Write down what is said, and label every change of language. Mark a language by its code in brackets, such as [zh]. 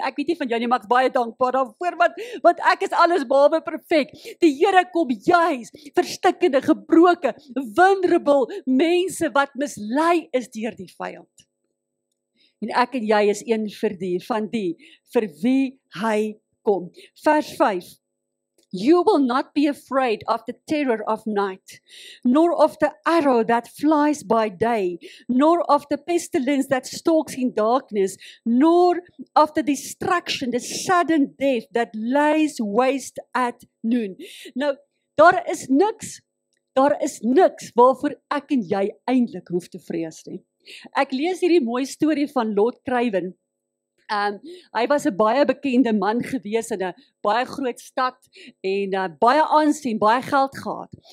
[af] Ek weet nie van jou nie, maar ek is baie dankbaar daarvoor, want ek is alles behalwe perfek. Die Here kom juis verstikkende, gebroke, vulnerable mense wat mislei is deur die vyand. En ek en jy is een vir die, van die, vir wie hy kom. Vers 5. [en] You will not be afraid of the terror of night, nor of the arrow that flies by day, nor of the pestilence that stalks in darkness, nor of the destruction, the sudden death that lies waste at noon. [af] Nou, daar is niks waarvoor ek en jy eintlik hoef te vrees nie. Ek lees hierdie mooi storie van Lord Craven. Hy was 'n baie bekende man gewees in 'n baie groot stad en baie aansien, baie geld gehad.